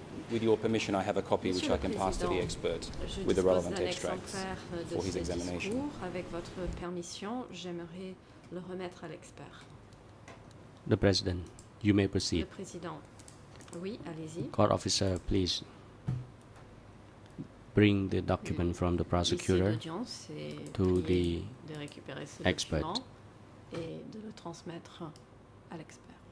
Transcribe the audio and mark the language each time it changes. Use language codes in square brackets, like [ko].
[en] with your permission, I have a copy which I can pass to the expert with the relevant extracts for his examination. [fr] Avec votre permission, j'aimerais le remettre à l'expert. [en] The President, you may proceed. [fr] Le Président. Oui, allez-y. [en] Court officer, please bring the document from the prosecutor to the expert. [fr] Et de le transmettre à l'expert.